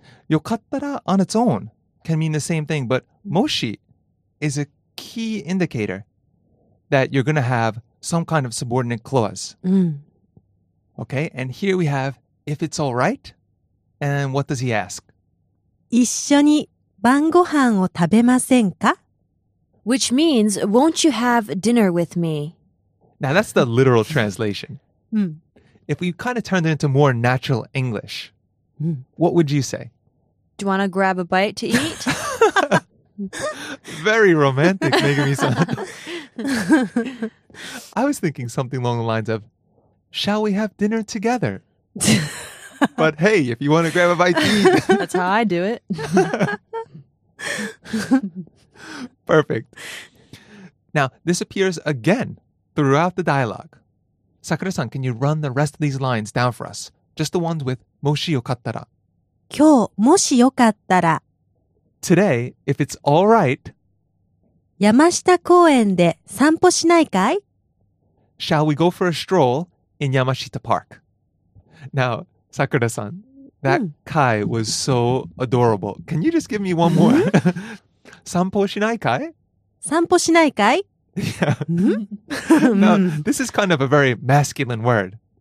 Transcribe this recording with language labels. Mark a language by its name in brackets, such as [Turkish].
[English] Yokattara on its own can mean the same thing, but moshi is a key indicator that you're going to have some kind of subordinate clause. Okay, and here we have if it's all right, and what does he ask? [Japanese] 一緒に晩ご飯を食べませんか? [English] Which means, won't you have dinner with me? Now that's the literal translation. If we kind of turned it into more natural English, what would you say? Do you want to grab a bite to eat? Very romantic, Megumi-san. I was thinking something along the lines of,Shall we have dinner together? But hey, if you want to grab a bite to eat. That's how I do it. Perfect. Now, this appears again throughout the dialogue. Sakura-san, can you run the rest of these lines down for us? Just the ones with [Japanese] もしよかったら。今日、もしよかったら。 [English] Today, if it's all right. [Japanese] 山下公園で散歩しないかい? [English] Shall we go for a stroll? In Yamashita Park. Now, Sakura-san, that kai was so adorable. Can you just give me one more? [Japanese] Sanpo shinai kai? Sanpo shinai kai? [English] Yeah. Now, this is kind of a very masculine word.